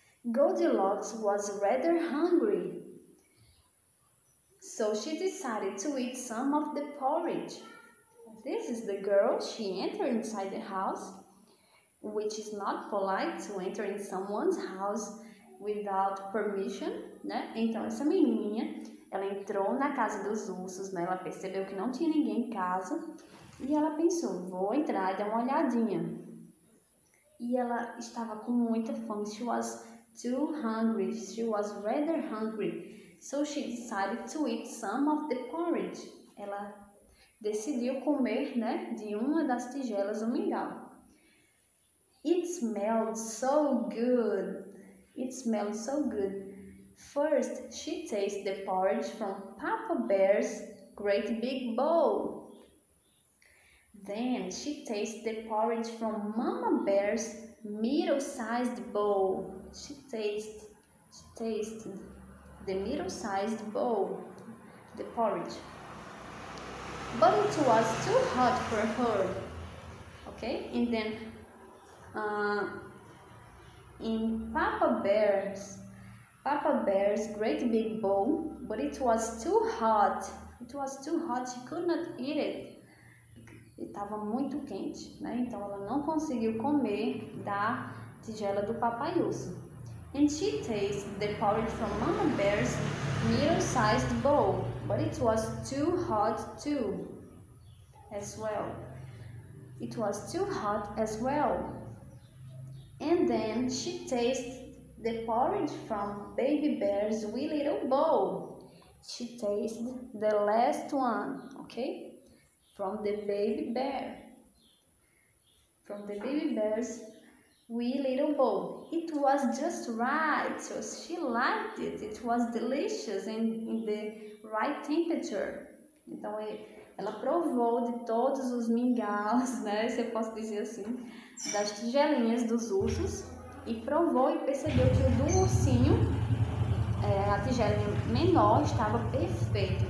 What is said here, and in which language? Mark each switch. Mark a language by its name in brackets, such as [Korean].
[English] Goldilocks was rather hungry, so she decided to eat some of the porridge. This is the girl. She entered inside the house, which is not polite to enter in someone's house without permission, né? [Portuguese] Então, essa menininha, ela entrou na casa dos ursos, né? Ela percebeu que não tinha ninguém em casa e ela pensou, vou entrar e dar uma olhadinha. E ela estava com muita fome. [English] She was too hungry. She was rather hungry. So she decided to eat some of the porridge. [Portuguese] Ela decidiu comer, né, de uma das tigelas do mingau. [English] It smelled so good. It smelled so good. First, she tasted the porridge from Papa Bear's great big bowl. Then, she tasted the porridge from Mama Bear's middle-sized bowl. She tasted the middle-sized bowl, the porridge. But it was too hot for her. Okay? And then, in Papa Bear's great big bowl, but it was too hot. It was too hot. She could not eat it. [Portuguese] Estava muito quente, né? Então ela não conseguiu comer da tigela do papai urso. [English] And she tasted the porridge from Mama Bear's middle-sized bowl, but it was too hot too, as well. It was too hot as well. And then she tasted the porridge from Baby Bear's wee little bowl. She tasted the last one, okay? From the baby bear. From the baby bear's wee little bowl. It was just right. So she liked it. It was delicious and in the right temperature. [Portuguese] Então, ela provou de todos os mingaus, né? Se eu posso dizer assim, das tigelinhas dos ursos. E provou e percebeu que o do ursinho, a tigelinha menor, estava perfeito.